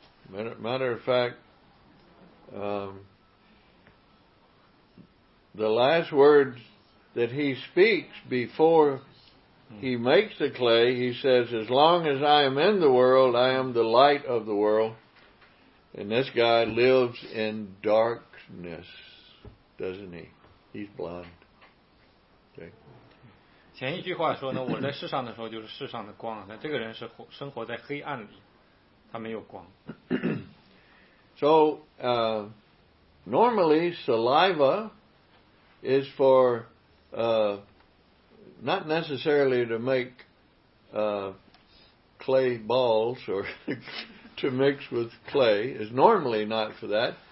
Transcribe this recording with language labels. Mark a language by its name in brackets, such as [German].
[English] Matter of fact, the last words that he speaks before he makes the clay, he says, as long as I am in the world, I am the light of the world. And this guy lives in darkness, doesn't he? He's blind. Okay. [Chinese] 前一句话说呢, 我在世上的时候就是世上的光, 那这个人是生活在黑暗里, 他没有光。 [English] So, normally saliva is for, not necessarily to make clay balls or to mix with clay, is normally not for that.